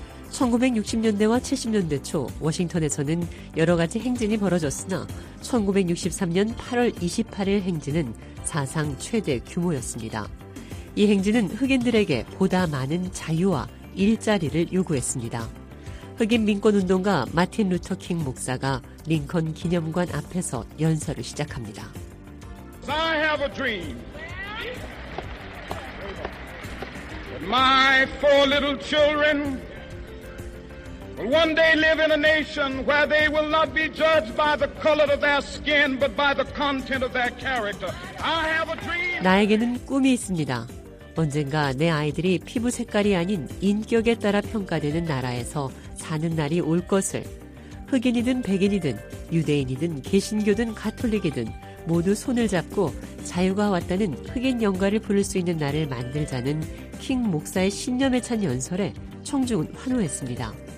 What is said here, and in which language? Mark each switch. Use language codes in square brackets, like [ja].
[ko] 1960년대와 70년대 초 워싱턴에서는 여러 가지 행진이 벌어졌으나 1963년 8월 28일 행진은 사상 최대 규모였습니다. 이 행진은 흑인들에게 보다 많은 자유와 일자리를 요구했습니다. 흑인 민권운동가 마틴 루터 킹 목사가 링컨 기념관 앞에서 연설을 시작합니다. [en] I have a dream. My four little children will one day live in a nation where they will not be judged by the color of their skin but by the content of their character. I have a dream. [ko] 나에게는 꿈이 있습니다. 언젠가 내 아이들이 피부 색깔이 아닌 인격에 따라 평가되는 나라에서 사는 날이 올 것을. 흑인이든 백인이든 유대인이든 개신교든 가톨릭이든 모두 손을 잡고 자유가 왔다는 흑인 영가를 부를 수 있는 날을 만들자는 킹 목사의 신념에 찬 연설에 청중은 환호했습니다.